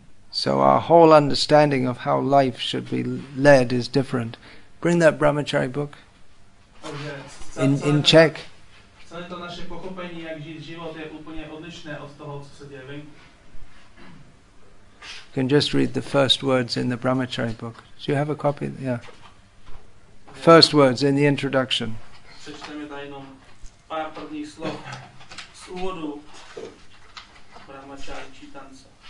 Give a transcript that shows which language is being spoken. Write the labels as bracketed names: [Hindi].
[English] So our whole understanding of how life should be led is different. Bring that Brahmachari book in Czech. [Czech] Celé to naše pochopení, jak žít život, je úplně odlišné od toho, co se děje venku. [English] You can just read the first words in the Brahmachari book. Do you have a copy? Yeah. First words in the introduction. [Czech] Přečteme tady jenom pár prvních slov z úvodu Brahmachari Čítance.